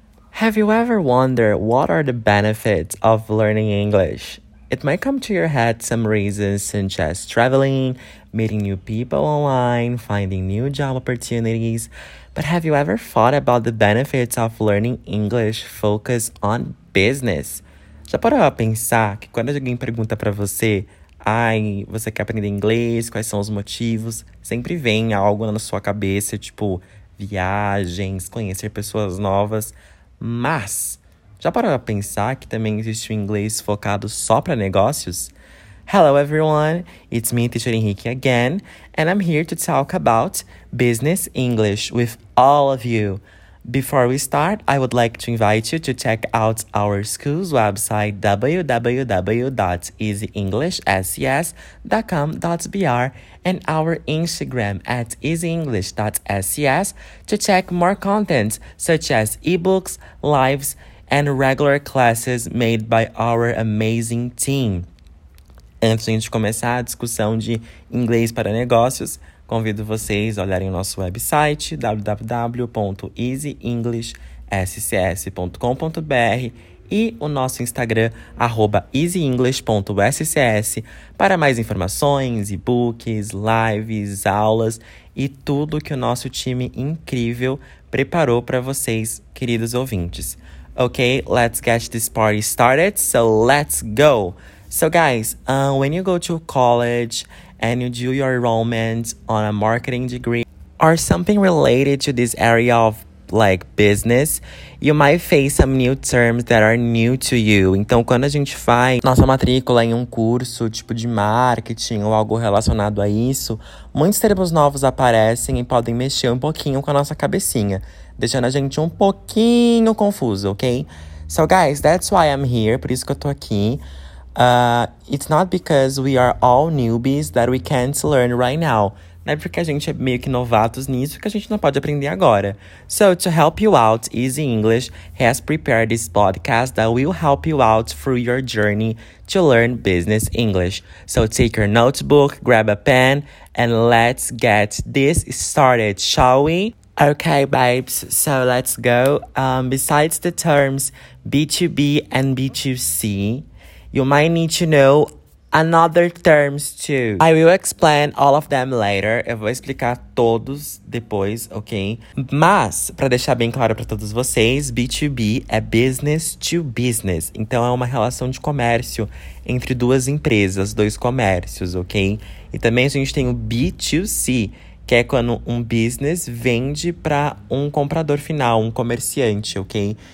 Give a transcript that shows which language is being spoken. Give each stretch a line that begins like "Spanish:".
English: Have you ever wondered what are the benefits of learning English? It might come to your head some reasons such as traveling, meeting new people online, finding new job opportunities. But have you ever thought about the benefits of learning English focused on business?
Portuguese: Já parou a pensar que quando alguém pergunta para você, ai, você quer aprender inglês, quais são os motivos? Sempre vem algo na sua cabeça, tipo viagens, conhecer pessoas novas. Mas, já parou a pensar que também existe o inglês focado só para negócios?
English: Hello everyone, it's me, Teacher Henrique again, and I'm here to talk about business English with all of you. Before we start, I would like to invite you to check out our school's website www.easyenglishscs.com.br and our Instagram at easyenglish.scs to check more content such as ebooks, lives, and regular classes made by our amazing team.
Portuguese: Antes de a gente começar a discussão de inglês para negócios, convido vocês a olharem o nosso website www.easyenglishscs.com.br e o nosso Instagram @easyenglish.scs para mais informações, e-books, lives, aulas e tudo que o nosso time incrível preparou para vocês, queridos ouvintes.
English: Okay, let's get this party started, so let's go! So guys, when you go to college and you do your enrollment on a marketing degree or something related to this area of like business, you might face some new terms that are new to you.
Portuguese: Então, quando a gente faz nossa matrícula em um curso tipo de marketing ou algo relacionado a isso, muitos termos novos aparecem e podem mexer um pouquinho com a nossa cabecinha, deixando a gente um pouquinho confuso, ok?
English: So guys, that's why I'm here,
Portuguese: por isso que eu tô aqui.
English: It's not because we are all newbies that we can't learn right now.
Portuguese: Não é porque a gente é meio que novatos nisso que a gente não pode aprender agora.
English: So, to help you out, Easy English has prepared this podcast that will help you out through your journey to learn business English. So, take your notebook, grab a pen, and let's get this started, shall we? Okay, babes, so let's go. Besides the terms B2B and B2C, you might need to know another terms too. I will explain all of them later.
Portuguese: Eu vou explicar todos depois, ok? Mas, pra deixar bem claro pra todos vocês, B2B é business to business. Então, é uma relação de comércio entre duas empresas, dois comércios, ok? E também a gente tem o B2C, que é quando um business vende pra um comprador final, um comerciante, ok?